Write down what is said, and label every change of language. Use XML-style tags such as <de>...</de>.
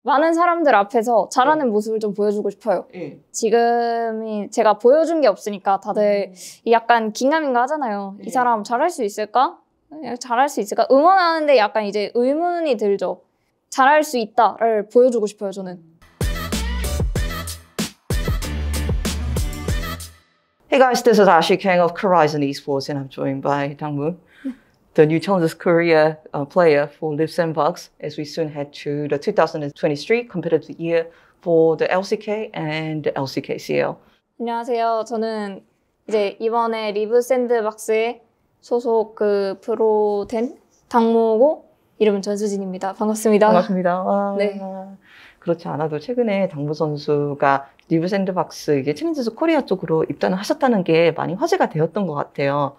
<ko>많은 사람들 앞에서 잘하는 모습을 좀 보여주고 싶어요. 지금이 제가 보여준 게 없으니까 다들 약간 긴가민가 하잖아요. 이 사람 잘할 수 있을까? 잘할 수 있을까? 응원하는데 약간 이제 의문이 들죠. 잘할 수 있다를 보여주고 싶어요, 저는.</ko> <en>Hey guys, this is actually King of Korizon Esports, and I'm joined by DangMoo, the new Challengers Korea player for Live Sandbox, as we soon head to the 2023 competitive year for the LCK and the LCKCL.</en> <ko>안녕하세요. 저는 이제 이번에 리브 샌드박스에 소속 그 프로 된 당모고 이름은 전수진입니다. 반갑습니다. 반갑습니다. 네. 와, 그렇지 않아도 최근에 당무 선수가 리브 샌드박스 이제 챌린지스 코리아 쪽으로 입단을 하셨다는 게 많이 화제가 되었던 것 같아요.</ko>